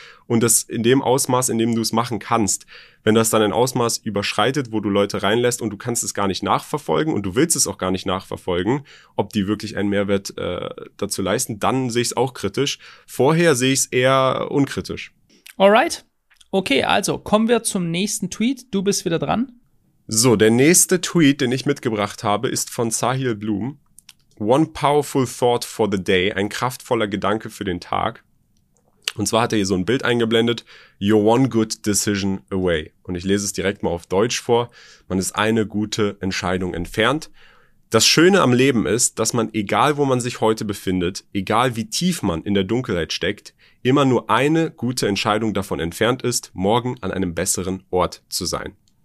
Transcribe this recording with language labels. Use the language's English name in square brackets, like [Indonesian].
[German] Und das in dem Ausmaß, in dem du es machen kannst. Wenn das dann ein Ausmaß überschreitet, wo du Leute reinlässt und du kannst es gar nicht nachverfolgen und du willst es auch gar nicht nachverfolgen, ob die wirklich einen Mehrwert dazu leisten, dann sehe ich es auch kritisch. Vorher sehe ich es eher unkritisch. [English] Alright. [German] Okay, also kommen wir zum nächsten Tweet. Du bist wieder dran. So, der nächste Tweet, den ich mitgebracht habe, ist von Sahil Bloom. [English] One powerful thought for the day. [German] Ein kraftvoller Gedanke für den Tag. Und zwar hat er hier so ein Bild eingeblendet, [English] you're one good decision away. [German] Und ich lese es direkt mal auf Deutsch vor, man ist eine gute Entscheidung entfernt. Das Schöne am Leben ist, dass man, egal wo man sich heute befindet, egal wie tief man in der Dunkelheit steckt, immer nur eine gute Entscheidung davon entfernt ist, morgen an einem besseren Ort zu sein.